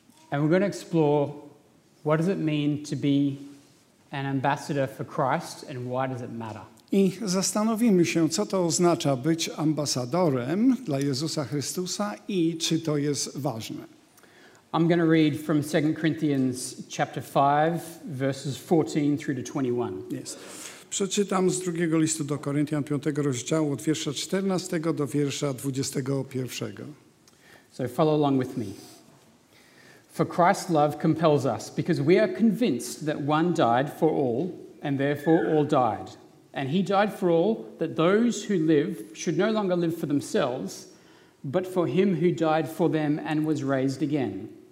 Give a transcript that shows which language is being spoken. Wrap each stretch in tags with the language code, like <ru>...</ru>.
<en>And we're going to explore what does it mean to be an ambassador for Christ and why does it matter?</en> <pl>I zastanowimy się, co to oznacza być ambasadorem dla Jezusa Chrystusa i czy to jest ważne.</pl> <en>I'm going to read from 2 Corinthians chapter 5, verses 14 through to 21. Yes.</en> <pl>Przeczytam z drugiego listu do Koryntian, 5 rozdziału, od wiersza 14 do wiersza 21.</pl> <en>So follow along with me. For Christ's love compels us, because we are convinced that one died for all, and therefore all died. And he died for all, that those who live should no longer live for themselves, but for him who died for them and was raised again.</en>